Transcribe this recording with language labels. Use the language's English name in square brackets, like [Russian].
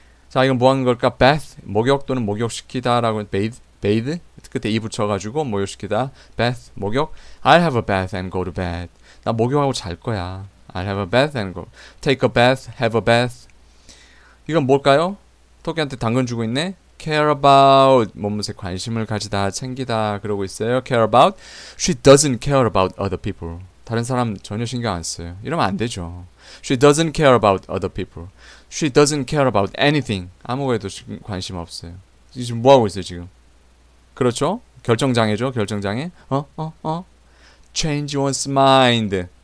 [Korean] 자 이건 뭐 하는 걸까 [English] bath [Korean] 목욕 또는 목욕시키다라고 [English] bathe [Korean] 끝에 이 붙여가지고 목욕시키다 [English] bath 목욕 I'll have a bath and go to bed [Korean] 나 목욕하고 잘 거야 [English] I'll have a bath and go take a bath have a bath [Korean] 이건 뭘까요? 토끼한테 당근 주고 있네. Care about 몸무게 관심을 가지다, 챙기다 그러고 있어요. [English] Care about she doesn't care about other people. [Korean] 다른 사람 전혀 신경 안 써요. 이러면 안 되죠. [English] She doesn't care about other people. She doesn't care about anything. [Korean] 아무것도 관심 없어요. 지금 뭐 하고 있어요, 지금? 그렇죠? 결정장애죠, 결정장애. [English] Change one's mind.